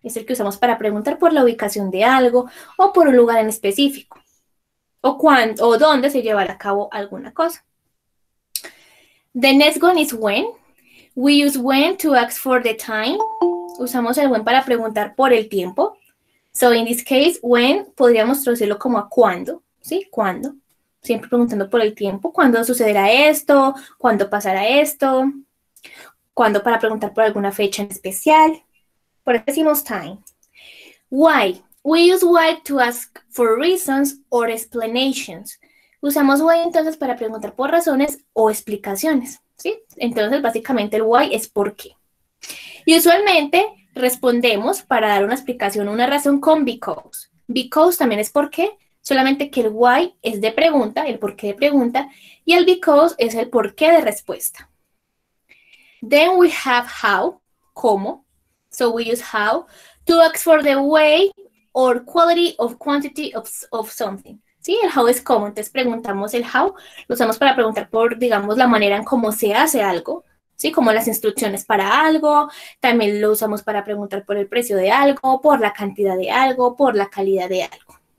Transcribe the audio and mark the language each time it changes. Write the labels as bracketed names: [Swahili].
[Spanish] Es el que usamos para preguntar por la ubicación de algo o por un lugar en específico. O cuándo, o dónde se llevará a cabo alguna cosa. [English] The next one is when. We use when to ask for the time. [Spanish] Usamos el when para preguntar por el tiempo. [English] So, in this case, [Spanish] when podríamos traducirlo como a cuándo, ¿sí? ¿Cuándo? Siempre preguntando por el tiempo. ¿Cuándo sucederá esto? ¿Cuándo pasará esto? ¿Cuándo para preguntar por alguna fecha en especial? Por eso decimos time. Why. [English] We use why to ask for reasons or explanations. [Spanish] Usamos why entonces para preguntar por razones o explicaciones, ¿sí? Entonces, básicamente el why es por qué. Y usualmente respondemos para dar una explicación, una razón con because. Because también es por qué, solamente que el why es de pregunta, el por qué de pregunta, y el because es el por qué de respuesta. [English] Then we have how, cómo. So we use how to ask for the way or quality of quantity of something. [Spanish] ¿Sí? El how es cómo. Entonces preguntamos el how. Lo usamos para preguntar por, digamos, la manera en cómo se hace algo. ¿Sí? Como las instrucciones para algo. También lo usamos para preguntar por el precio de algo, por la cantidad de algo, por la calidad de algo.